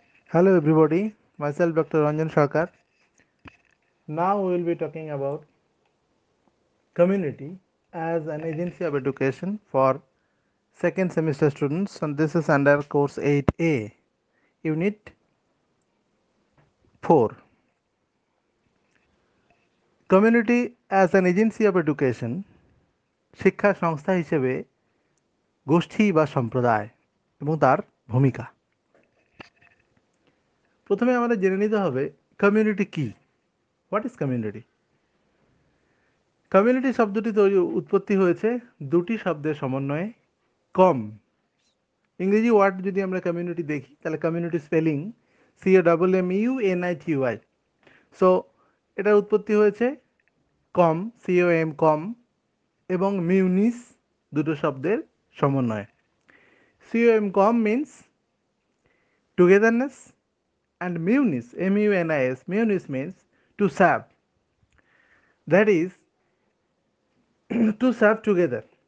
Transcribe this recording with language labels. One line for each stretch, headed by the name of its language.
English: Hello everybody, myself Dr. Ranjan Sarkar. Now we will be talking about community as an agency of education for second semester students, and this is under course 8A, unit 4. Community as an agency of education,
Bangla: Shikha Sangstha Hishebe, Goshti ba Sampraday, ebong tar Bhumika. প্রথমে আমাদের জেনে নিতে হবে community কি,
English: What is community.
Bangla: Community শব্দটি তৈরি উৎপত্তি হয়েছে দুটি শব্দের সমন্বয়ে, কম। ইংরেজি ওয়ার্ড যদি আমরা কমিউনিটি দেখি তাহলে কমিউনিটি স্পেলিং COMMUNITY, সো এটার উৎপত্তি হয়েছে কম, COM কম এবং মিউনিস দুটো শব্দের সমন্বয়ে।
English: COM com means togetherness, and munis, MUNIS, munis means to serve, that is to serve together.